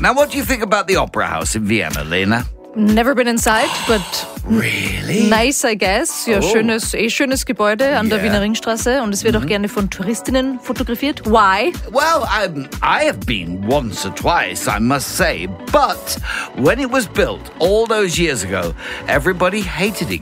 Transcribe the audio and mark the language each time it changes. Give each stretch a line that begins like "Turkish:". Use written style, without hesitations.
English: Now, what do you think about the Opera House in Vienna, Lena? Never been inside, but really? Nice, I guess.
German: Ja, schönes Gebäude an der Wiener Ringstraße und es wird auch gerne von Touristinnen fotografiert.
English: Why? Well, I have been once or twice, I must say, but when it was built all those years ago, everybody hated it.